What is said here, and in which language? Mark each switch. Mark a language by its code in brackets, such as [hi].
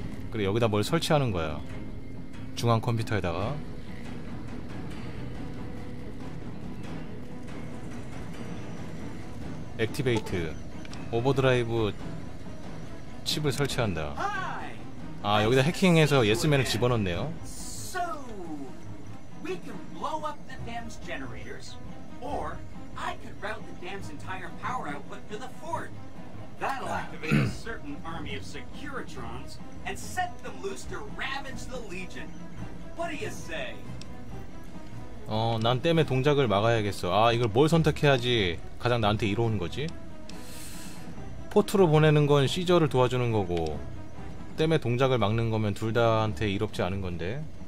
[ko] 그래, 여기다 뭘 설치하는 거야. 중앙 컴퓨터에다가. 액티베이트. 오버드라이브 칩을 설치한다. 아, 여기다 해킹해서 예스맨을 집어넣네요. [en] So, we can blow up the dam's generators, or I could route the dam's entire power output to the fort. That'll activate a certain army of Securitrons and set them loose to ravage the Legion. What do you say? [ko] 어, 난 댐의 동작을 막아야겠어. 아, 이걸 뭘 선택해야지 가장 나한테 이로운 거지? 포트로 보내는 건 시저를 도와주는 거고, 댐의 동작을 막는 거면 둘 다한테 이롭지 않은 건데.